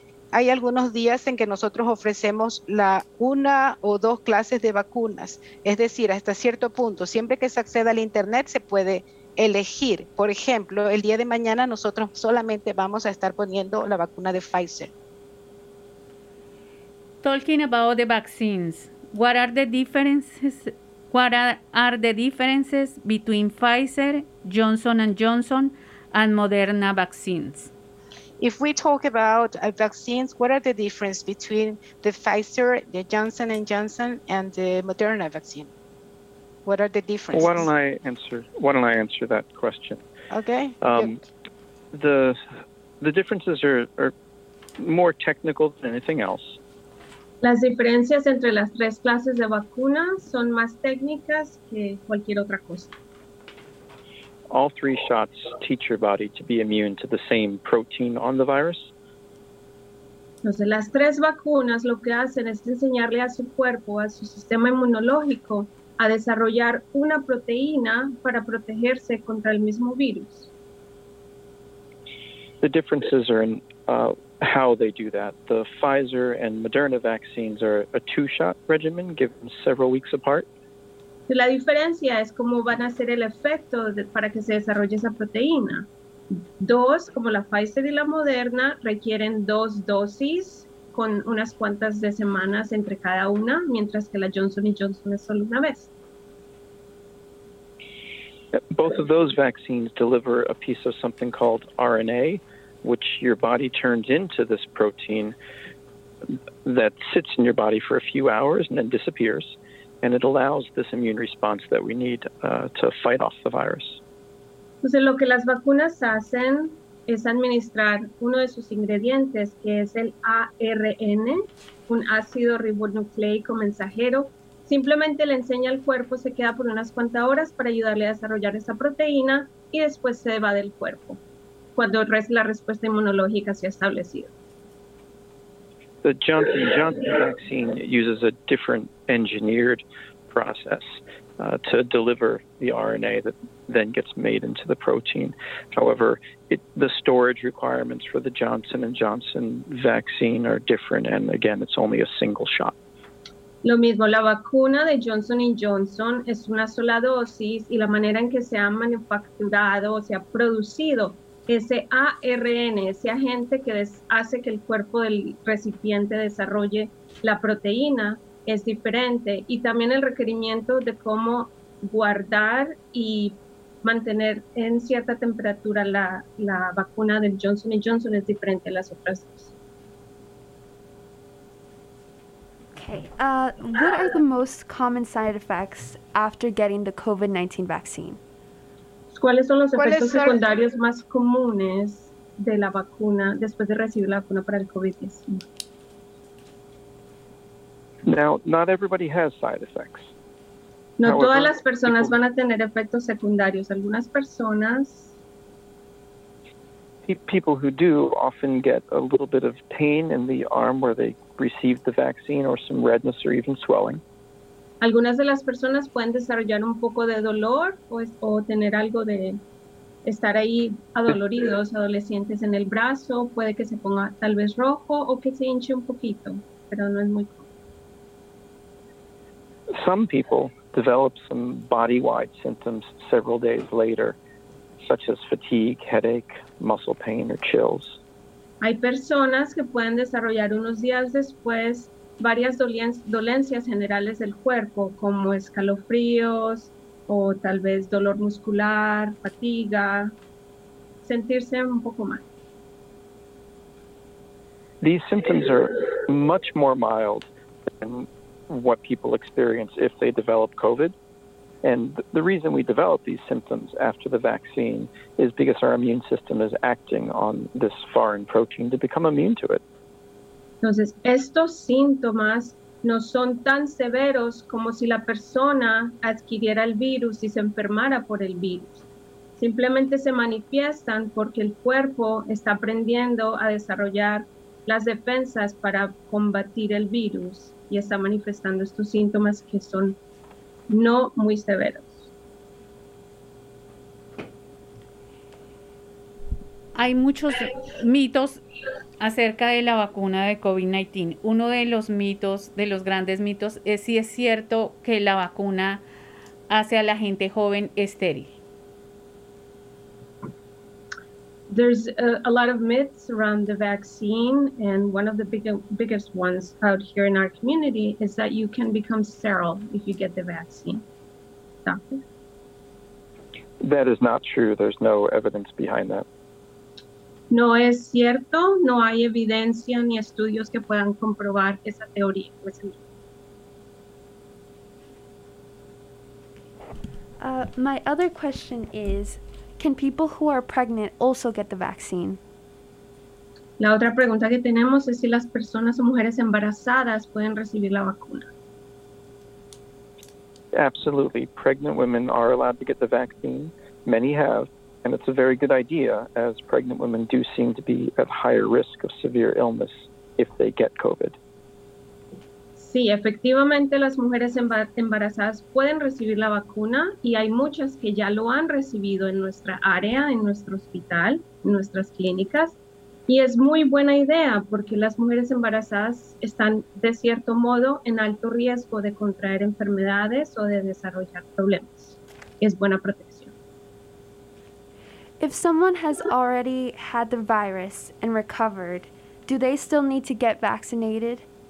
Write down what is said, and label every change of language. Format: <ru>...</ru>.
<es>Hay algunos días en que nosotros ofrecemos la una o dos clases de vacunas, es decir, hasta cierto punto. Siempre que se acceda al internet se puede elegir. Por ejemplo, el día de mañana nosotros solamente vamos a estar poniendo la vacuna de Pfizer.</es> <en>Talking about the vaccines, what are the differences? What are the differences between Pfizer, Johnson & Johnson, and Moderna vaccines? If we talk about vaccines, what are the differences between the Pfizer, the Johnson & Johnson, and the Moderna vaccine? What are the differences? Why don't I answer that question? Okay. The differences are more technical than anything else.</en> <es>Las diferencias entre las tres clases de vacunas son más técnicas que cualquier otra cosa.</es> <en>All three shots teach your body to be immune to the same protein on the virus.</en> <es>Entonces, las tres vacunas lo que hacen es enseñarle a su cuerpo, a su sistema inmunológico, a desarrollar una proteína para protegerse contra el mismo virus.</es> <en>The differences are in how they do that. The Pfizer and Moderna vaccines are a two-shot regimen given several weeks apart.</en> <es>La diferencia es cómo van a hacer el efecto para que se desarrolle esa proteína. Dos, como la Pfizer y la Moderna, requieren dos dosis con unas cuantas de semanas entre cada una, mientras que la Johnson & Johnson es solo una vez.</es> <en>Both of those vaccines deliver a piece of something called RNA, which your body turns into this protein that sits in your body for a few hours and then disappears, and it allows this immune response that we need to fight off the virus.</en> <es>Entonces, lo que las vacunas hacen es administrar uno de sus ingredientes, que es el ARN, un ácido ribonucleico mensajero. Simplemente le enseña al cuerpo, se queda por unas cuantas horas para ayudarle a desarrollar esa proteína y después se va del cuerpo. Cuando la respuesta inmunológica se ha establecido.</es> <en>The Johnson & Johnson vaccine uses a different engineered process to deliver the RNA that then gets made into the protein. However, the storage requirements for the Johnson & Johnson vaccine are different, and again, it's only a single shot.</en> <es>Lo mismo, la vacuna de Johnson & Johnson es una sola dosis, y la manera en que se ha manufacturado o se ha producido ese ARN, ese agente que hace que el cuerpo del recipiente desarrolle la proteína, es diferente. Y también el requerimiento de cómo guardar y mantener en cierta temperatura la vacuna del Johnson & Johnson es diferente a las otras dos.</es> <en>Okay. What are the most common side effects after getting the COVID-19 vaccine?</en> <es>¿Cuáles son los efectos secundarios más comunes de la vacuna después de recibir la vacuna para el COVID-19?</es> <en>Now, not everybody has side effects.</en> <es>No,</es> <en>however,</en> <es>todas las personas van a tener efectos secundarios. Algunas personas.</es> <en>People who do often get a little bit of pain in the arm where they received the vaccine, or some redness or even swelling.</en> <es>Algunas de las personas pueden desarrollar un poco de dolor o tener algo de estar ahí adoloridos, adolescentes en el brazo. Puede que se ponga tal vez rojo o que se hinche un poquito, pero no es muy común.</es> <en>Some people develop some body-wide symptoms several days later, such as fatigue, headache, muscle pain, or chills.</en> <es>Hay personas que pueden desarrollar unos días después varias dolencias generales del cuerpo, como escalofríos, o tal vez dolor muscular, fatiga, sentirse un poco mal.</es> <en>These symptoms are much more mild than what people experience if they develop COVID. And the reason we develop these symptoms after the vaccine is because our immune system is acting on this foreign protein to become immune to it.</en> <es>Entonces, estos síntomas no son tan severos como si la persona adquiriera el virus y se enfermara por el virus. Simplemente se manifiestan porque el cuerpo está aprendiendo a desarrollar las defensas para combatir el virus y está manifestando estos síntomas que son no muy severos. Hay muchos mitos acerca de la vacuna de COVID-19. Uno de los mitos, de los grandes mitos, es si es cierto que la vacuna hace a la gente joven estéril.</es> <en>There's a lot of myths around the vaccine, and one of the biggest ones out here in our community is that you can become sterile if you get the vaccine. Doctor? That is not true. There's no evidence behind that.</en> <es>No es cierto. No hay evidencia ni estudios que puedan comprobar esa teoría.</es> <en>My other question is, can people who are pregnant also get the vaccine?</en> <es>La otra pregunta que tenemos es si las personas o mujeres embarazadas pueden recibir la vacuna.</es> <en>Absolutely. Pregnant women are allowed to get the vaccine. Many have. And it's a very good idea, as pregnant women do seem to be at higher risk of severe illness if they get COVID.</en> <es>Sí, efectivamente, las mujeres embarazadas pueden recibir la vacuna y hay muchas que ya lo han recibido en nuestra área, en nuestro hospital, en nuestras clínicas. Y es muy buena idea porque las mujeres embarazadas están, de cierto modo, en alto riesgo de contraer enfermedades o de desarrollar problemas. Es buena protección.</es> <en>If someone has already had the virus and recovered, do they still need to get vaccinated?</en>